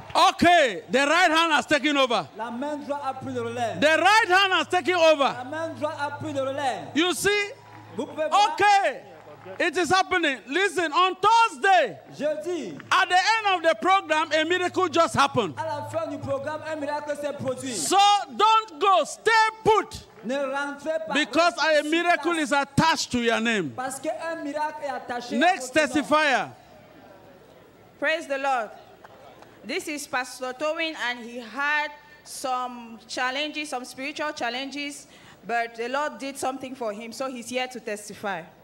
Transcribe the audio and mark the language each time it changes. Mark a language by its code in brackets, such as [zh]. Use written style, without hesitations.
[en] Okay, the right hand has taken over. [fr] La main droite a pris le relais. [en] The right hand has taken over. [fr] La main droite a pris le relais. [en] You see? [fr] Vous pouvez voir? [en] Okay. It is happening. Listen, on Thursday, [fr] jeudi, [en] at the end of the program, a miracle just happened. [fr] À la fin du programme, un miracle s'est produit. [en] So don't go. Stay put. [fr] Ne rentrez pas. [en] Because a miracle is attached to your name. [fr] Parce que un miracle est attaché. [en] Next testifier. Praise the Lord. This is Pastor Towin, and he had some challenges, some spiritual challenges, but the Lord did something for him, so he's here to testify.